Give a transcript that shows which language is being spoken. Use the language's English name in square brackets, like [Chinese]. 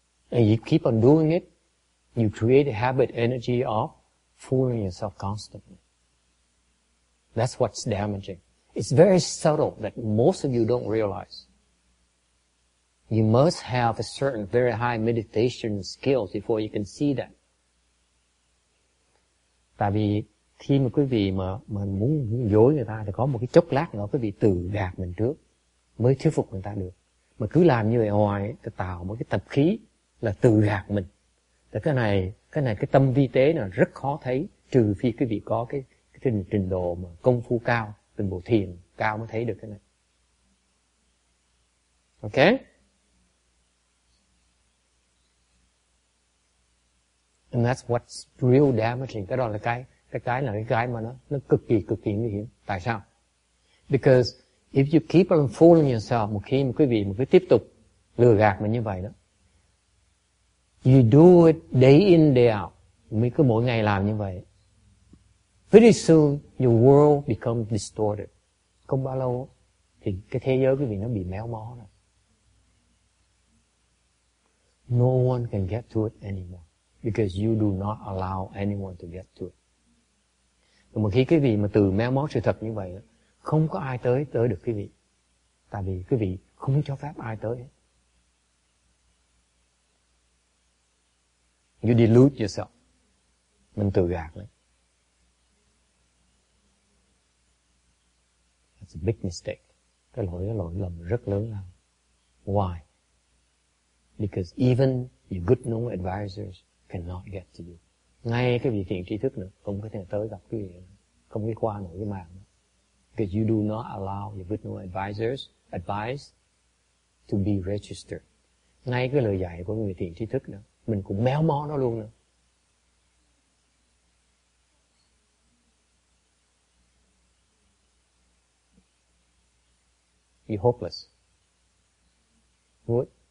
[English] And you keep on doing it, you create a habit energy of fooling yourself constantly. That's what's damaging. It's very subtle that most of you don't realize. You must have a certain very high meditation skills before you can see that. [Vietnamese] Tại vì khi mà quý vị mà muốn dối người ta thì có một cái chốc lát nữa quý vị tự gạt mình trước mới thuyết phục người ta được. Mà cứ làm như vậy hoài thì tạo một cái tập khí là tự gạt mình. Thì cái này cái tâm vi tế là rất khó thấy, trừ phi quý vị có cái trình độ mà công phu cao, trình độ thiền cao mới thấy được cái này. [English] Ok? And that's what's real damaging. [Vietnamese] Cái đó là cái mà nó cực kỳ nguy hiểm. Tại sao? [English] Because if you keep on fooling yourself, [Vietnamese] một khi mà quý vị mà cứ tiếp tục lừa gạt mình như vậy đó, [English] you do it day in, day out. [Vietnamese] Mình cứ mỗi ngày làm như vậy. [English] Pretty soon, your world becomes distorted. [Vietnamese] Không bao lâu, thì cái thế giới quý vị nó bị méo mó rồi. [English] No one can get to it anymore. Because you do not allow anyone to get to it. [Vietnamese] Và một khi quý vị mà từ méo mó sự thật như vậy, không có ai tới được quý vị. Tại vì quý vị không cho phép ai tới. [English] You delude yourself. [Vietnamese] Mình tự gạt đấy. [English] That's a big mistake. [Vietnamese] Cái lỗi lầm rất lớn lắm. [English] Why? Because even your good known advisors cannot get to you. [Vietnamese] Ngay cái vị thiện tri thức nữa cũng có thể tới gặp quý vị, không có qua nổi cái mạng nữa. [English] Because you do not allow your good known advisors advice to be registered. [Vietnamese] Ngay cái lời dạy của người thiện tri thức nữa, mình cũng méo mó nó luôn nữa. [English] You're hopeless. What?